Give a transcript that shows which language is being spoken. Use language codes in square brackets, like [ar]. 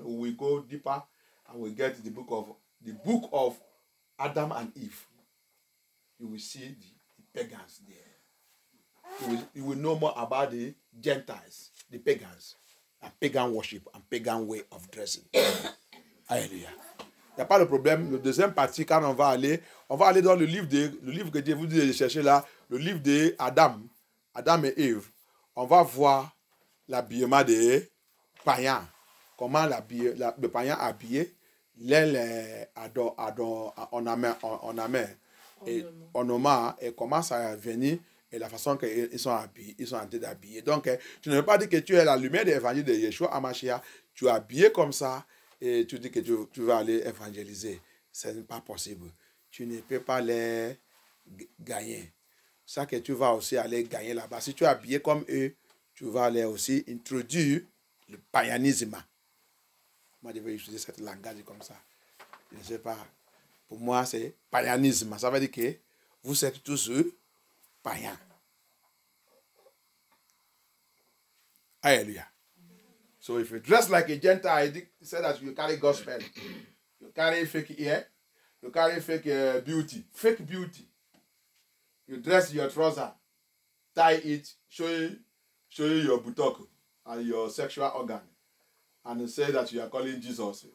[en] We will go deeper and we get the book of Adam and Eve. You will see the pagans there. You will know more about the Gentiles, the pagans, and pagan worship and pagan way of dressing. Hallelujah. [fr] Il n'y a pas de problème. Le deuxième partie, quand on va aller dans le livre que Dieu vous dit de chercher là, le livre de Adam et Ève. On va voir l'habillement des païens. Comment le païen habillé, et comment ça a venu et la façon qu'ils sont habillés, ils sont en train d'habiller. Donc, tu ne veux pas dire que tu es la lumière de l'évangile de Yeshua Amashia, tu es habillé comme ça. Et tu dis que tu vas aller évangéliser. Ce n'est pas possible. tu ne peux pas les gagner. Ça que tu vas aussi aller gagner là-bas. Si tu es habillé comme eux, tu vas aller aussi introduire le païanisme. Moi, je vais utiliser cette langage comme ça. Je ne sais pas. Pour moi, c'est païanisme. Ça veut dire que vous êtes tous païens. Alléluia. [en] So if you dress like a Gentile, you say that you carry gospel. You carry fake hair. You carry fake beauty. Fake beauty. You dress your trouser, tie it, show you your buttock and your sexual organ, and say that you are calling Jesus.